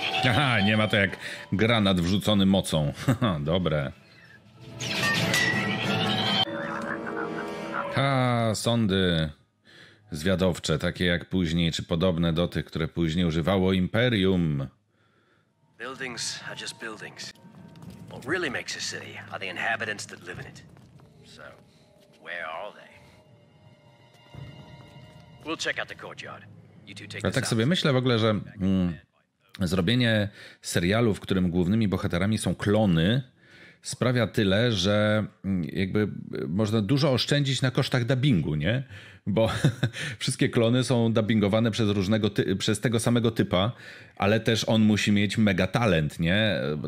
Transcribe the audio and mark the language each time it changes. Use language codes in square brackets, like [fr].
[pl] Aha, nie ma to jak granat wrzucony mocą. Dobre. Ha, sądy zwiadowcze, takie jak później, czy podobne do tych, które później używało Imperium. [en] Buildings are just buildings. What really makes a city are the inhabitants that live in it. So, where are they? We'll check out the courtyard. You two take. [pl] Ja tak sobie myślę w ogóle, że zrobienie serialu, w którym głównymi bohaterami są klony, sprawia tyle, że jakby można dużo oszczędzić na kosztach dubbingu, nie? Bo wszystkie klony są dubbingowane przez tego samego typa, ale też on musi mieć mega talent, nie?